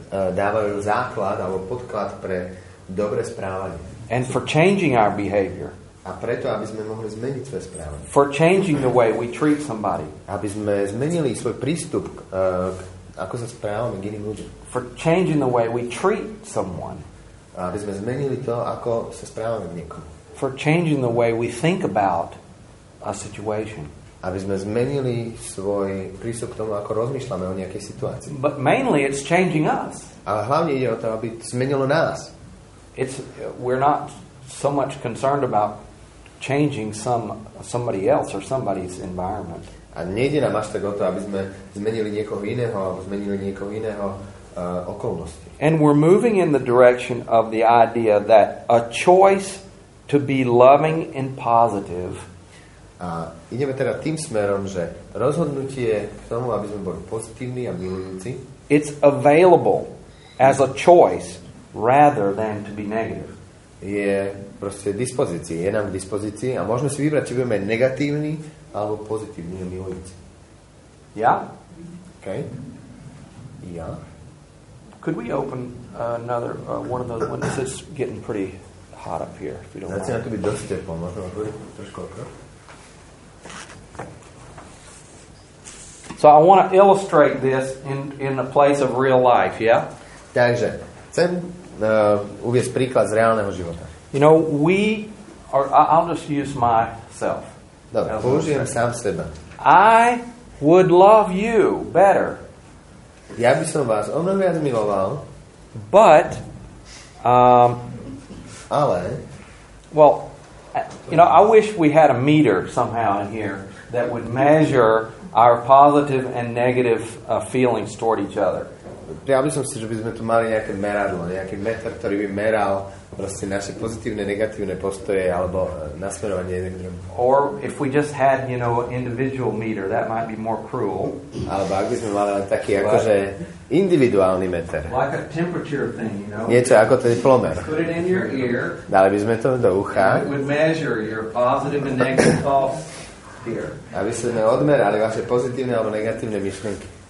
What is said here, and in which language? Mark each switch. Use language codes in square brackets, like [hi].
[sk] Dávajú základ alebo podklad pre dobré správanie. [en] And for changing our behavior. [sk] A preto, aby sme mohli zmeniť svoje správanie. [en] For changing the way we treat somebody. [sk] Aby sme zmenili svoj prístup ako sa správame k iným ľuďom. [en] For changing the way we treat someone. [sk] Aby sme zmenili to, ako sa správame k niekomu. [en] For changing the way we think about a situation. [sk] Aby sme zmenili svoj prístup k tomu, ako rozmýšľame o nejakej situácii. [en] But mainly it's changing us. [sk] Ale hlavne ide o to, aby zmenilo nás. [en] We're not so much concerned about changing somebody else or somebody's environment. [sk] A nejde nám až tak o to, aby sme zmenili niekoho iného, okolnosti. [en] And we're moving in the direction of the idea that a choice to be loving and positive. [sk] A ideme teda tým smerom, že rozhodnutie k tomu, aby sme boli pozitívni a milujúci. [en] It's available as a choice rather than to be negative. [sk] Je proste dispozícii, je nám k dispozícii a môžeme si vybrať, či budeme negatívni alebo pozitívni a milujúci. Ja? OK. Ja? [en] Could we open another one of those windows? It's getting pretty hot up here, if you don't mind. [sk] Začína to byť dosť teplo, možno otvoriť trošku okno. [en] So I want to illustrate this in the place of real life, yeah? [sk] Takže, chcem uviesť príklad z reálneho života. [en] You know, I'll just use myself. [sk] Dobre, použijem sám seba. [en] I would love you better. [sk] Ja by som vás o mnoho viac miloval. [en] But, [sk] ale, [en] well, you know, I wish we had a meter somehow in here that would measure our positive and negative feelings toward each other. [sk] Ja by som si, že by sme tu mali nejaké meradlo, nejaký meter, ktorý by meral proste naše pozitívne, negatívne postoje alebo nasmerovanie jedným druhým. [en] Or if we just had, you know, individual meter, that might be more cruel. [sk] Alebo ak by sme mali taký akože individuálny meter. [en] Like a temperature thing, you know. [sk] Niečo ako teplomer. [en] Put it in your ear. [sk] Dali by sme to do ucha. [en] And it would measure your positive and negative thoughts. [sk] Aby sme odmerali vaše pozitívne alebo negatívne myšlienky.